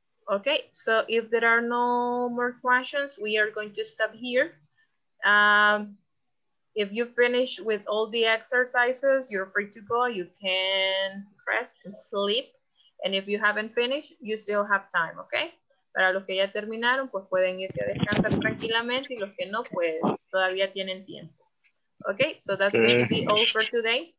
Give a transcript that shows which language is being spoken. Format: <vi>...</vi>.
<en>Okay, so if there are no more questions, we are going to stop here. If you finish with all the exercises, you're free to go. You can rest and sleep. And if you haven't finished, you still have time, okay?</en> <es>Para los que ya terminaron, pues pueden irse a descansar tranquilamente. Y los que no, pues todavía tienen tiempo.</es> <en>Okay, so that's going to be all for today.</en>